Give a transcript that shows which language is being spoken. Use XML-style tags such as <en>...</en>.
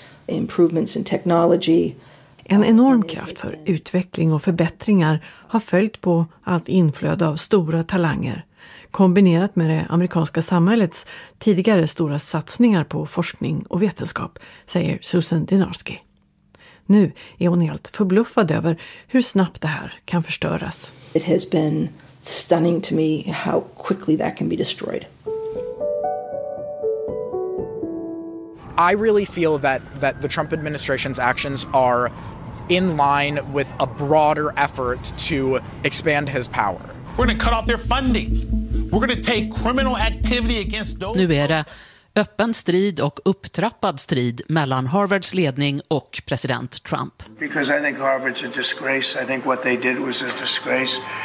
<en>Improvements in technology.</en> <sv>En enorm kraft för utveckling och förbättringar har följt på allt inflöde av stora talanger. Kombinerat med det amerikanska samhällets tidigare stora satsningar på forskning och vetenskap, säger Susan Dynarski. Nu är hon helt förbluffad över hur snabbt det här kan förstöras.</sv> <en>It has been stunning to me how quickly that can be destroyed. I really feel that the Trump administration's actions are in line with a broader effort to expand his power. We're going to cut off their funding. We're going to take criminal activity against those.</en> <sv>Nu är det öppen strid och upptrappad strid mellan Harvards ledning och president Trump.</sv> <en>Because I think Harvard's a disgrace. I think what they did was a disgrace.</en>